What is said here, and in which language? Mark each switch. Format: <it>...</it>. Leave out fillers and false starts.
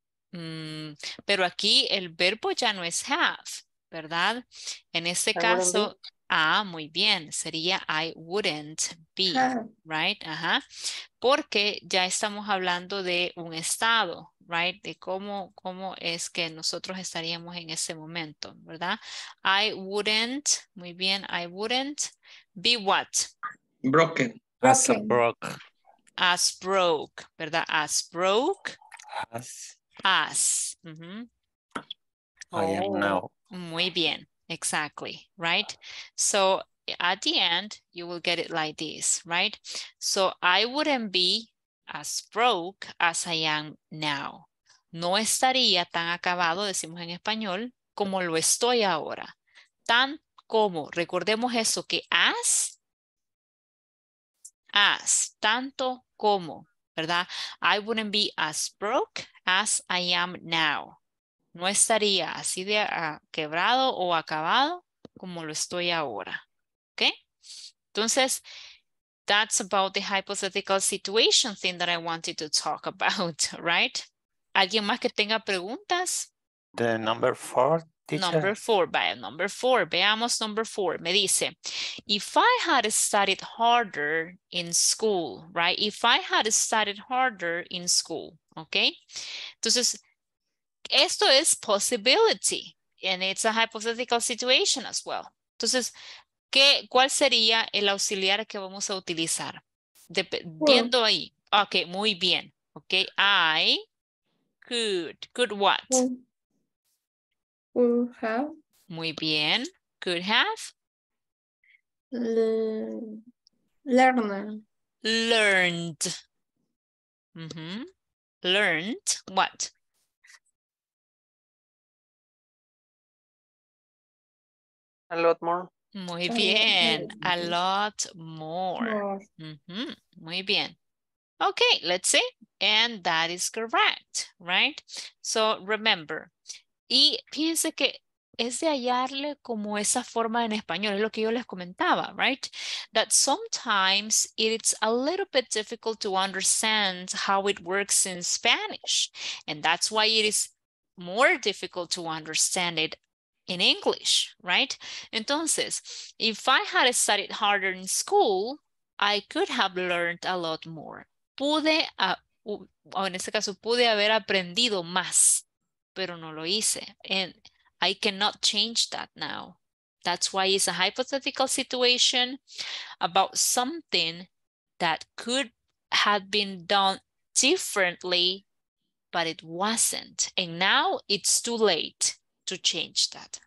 <es>Pero aquí el verbo ya no es have, ¿verdad? En este caso, muy bien, sería</es> <en>I wouldn't be, right?</en> <es>Ajá. Porque ya estamos hablando de un estado, right? De cómo es que nosotros estaríamos en ese momento, ¿verdad?</es> <en>I wouldn't,</en> <es>muy bien,</es> <en>I wouldn't be what? Broken. As broke,</en> <es>¿verdad?</es> <en>As broke. As. Mm-hmm. I am now.</en> <es>Muy bien.</es> <en>Exactly. Right. So at the end, you will get it like this, right? So I wouldn't be as broke as I am now.</en> <es>No estaría tan acabado, decimos en español, como lo estoy ahora. Tan como, recordemos eso, que as, tanto como, ¿verdad?</es> <en>I wouldn't be as broke as I am now.</en> <es>No estaría así de quebrado o acabado como lo estoy ahora.</es> <en>¿Ok?</en> <es>Entonces,</es> <en>that's about the hypothetical situation thing that I wanted to talk about, right?</en> <es>¿Alguien más que tenga preguntas?</es> <en>The number four, teacher. Number four.</en> <es>Me dice,</es> <en>if I had studied harder in school, right? If I had studied harder in school, ¿ok?</en> <es>Entonces, esto es</es> <en>possibility and it's a hypothetical situation as well.</en> <es>Entonces, ¿cuál sería el auxiliar que vamos a utilizar? Viendo ahí.</es> <en>Ok,</en> <es>muy bien.</es> <en>Ok, I could. Could what? Could have.</en> <es>Muy bien.</es> <en>Could have. Learned. Mm-hmm. Learned what? A lot more.</en> <es>Muy bien.</es> <en>A lot more. Mm-hmm. Muy bien. Okay, let's see. And that is correct, right? So remember.</en> <es>Y piense que es de hallarle como esa forma en español. Es lo que yo les comentaba, right?</es> <en>That sometimes it's a little bit difficult to understand how it works in Spanish. And that's why it is more difficult to understand it in English, right?</en> <es>Entonces,</es> <en>if I had studied harder in school, I could have learned a lot more.</en> <es>Pude haber aprendido más, pero no lo hice.</es> <en>And I cannot change that now. That's why it's a hypothetical situation about something that could have been done differently, but it wasn't. And now it's too late to change that.</en>